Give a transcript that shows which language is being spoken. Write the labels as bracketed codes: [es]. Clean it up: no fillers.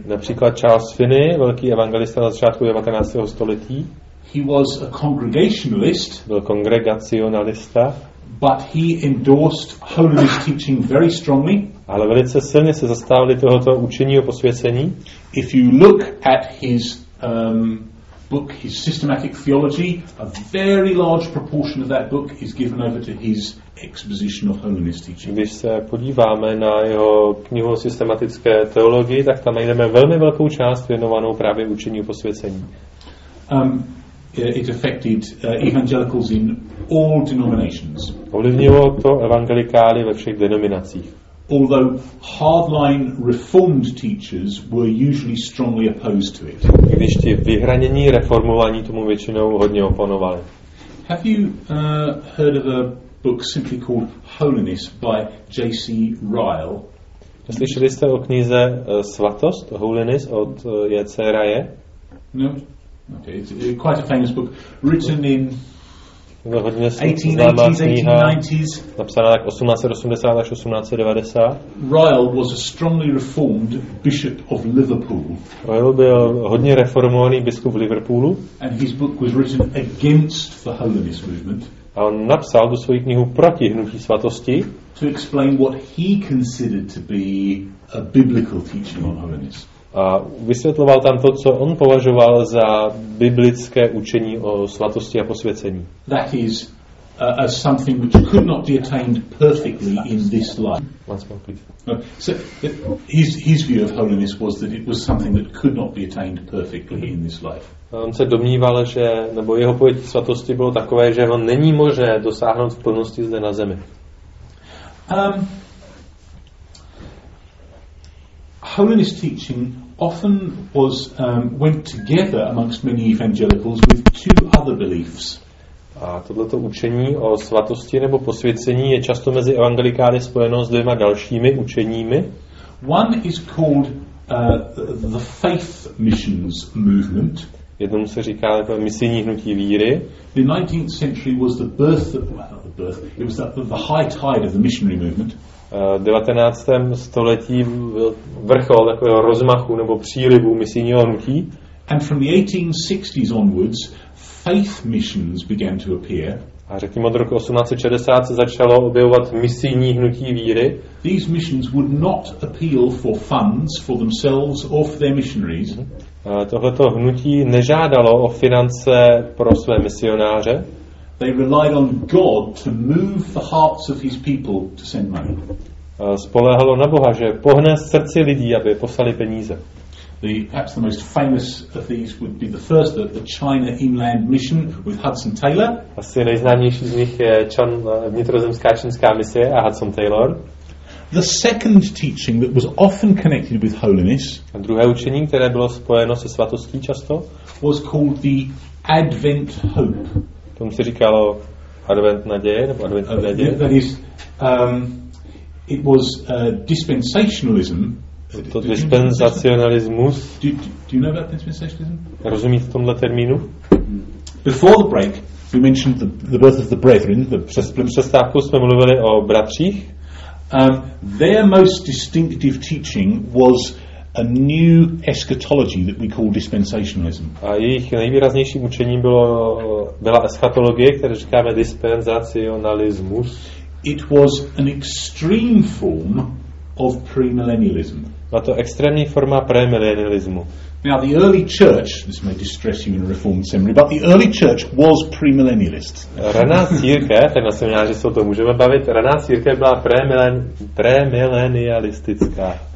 [cs] Například Charles Finney, velký evangelista na začátku 19. století. [en] He was a congregationalist. [cs] Byl kongregacionalista. [en] but he endorsed holiness teaching very strongly. [cs] Ale velice silně se zastávali tohoto učení o posvěcení. [en] If you look at his book, his systematic theology, a very large proportion of that book is given over to his exposition of holiness teaching. [cs] Když se podíváme na jeho knihu o systematické teologii, tak tam najdeme velmi velkou část věnovanou právě učení o posvěcení. [en] It affected evangelicals in all denominations. [cs] Ovlivnilo to evangelikály ve všech denominacích. [en] Although hardline reformed teachers were usually strongly opposed to it. [cs] Když ti vyhranění reformovaní tomu většinou hodně oponovali. [en] Have you heard of a book simply called Holiness by J.C. Ryle? [cs] Slyšeli jste o knize Svatost, Holiness od J.C. Ryle? [en] No. Okay, it's quite a famous book written in [cs] 1880s, 1890s. Napsaná tak 1880 až 1890. [en] Ryle was a strongly reformed bishop of Liverpool. [cs] Ryle byl hodně reformovaný biskup v Liverpoolu. [en] And his book was written against the holiness movement. [cs] A on napsal tu svoji knihu proti hnutí svatosti. [en] To explain what he considered to be a biblical teaching on holiness. [cs] A vysvětloval tam to, co on považoval za biblické učení o svatosti a posvěcení. [en] That is as something which could not be attained perfectly in this life. Once more, please. So his view of holiness was that it was something that could not be attained perfectly in this life. [cs] On se domníval, že nebo jeho pojetí svatosti bylo takové, že ho není možné dosáhnout v plnosti zde na zemi. [en] Holiness teaching often was went together amongst many evangelicals with two other beliefs. [cs] A toto učení o svatosti nebo posvěcení je často mezi evangelikály spojeno s dvěma dalšími učeními. [en] One is called the faith missions movement. [cs] Jednomu se říká to misijní hnutí víry. [en] The 19th century was the birth of, well, the birth. It was the high tide of the missionary movement. [cs] V 19. století vrchol takového rozmachu nebo přílivu misijního hnutí. [en] And from the 1860s onwards, faith missions began to appear. [cs] A řekněme od roku 1860 se začalo objevovat misijní hnutí víry. [en] These missions would not appeal for funds for themselves or for their missionaries. [cs] Tohleto hnutí nežádalo o finance pro své misionáře. [en] They relied on God to move the hearts of his people to send money. [cs] Spoléhalo na Boha, že pohne srdci lidí, aby poslali peníze. [en] Perhaps the most famous of these would be the first, the China Inland Mission with Hudson Taylor. [cs] Asi nejznámější z nich je vnitrozemská čínská mise a Hudson Taylor. [en] The second teaching that was often connected with holiness. [cs] A druhé učení, které bylo spojeno se svatostí často, [en] was called the Advent Hope. [cs] Tomu se říkalo advent naděje nebo advent naděje. [en] That is, it was dispensationalism. [cs] To dispensacionalismus. [en] Do you know about dispensationalism? [cs] Rozumíte tomhle termínu? [en] Before the break, we mentioned the birth of the brethren. [cs] Přestávku jsme mluvili o bratřích. [en] Their most distinctive teaching was a new eschatology that we call dispensationalism. [cs] A jejich nejvýraznějším učením byla eschatologie, kterou říkáme dispensacionalismus. [en] It was an extreme form of premillennialism. [cs] Byla to extrémní forma premillennialismu. [en] Now the early church, this may distress you in a reformed seminary, but the early church was premillennialist. [cs] Raná církev, tak na semináři se o tom můžeme bavit, raná církev byla premillennialistická.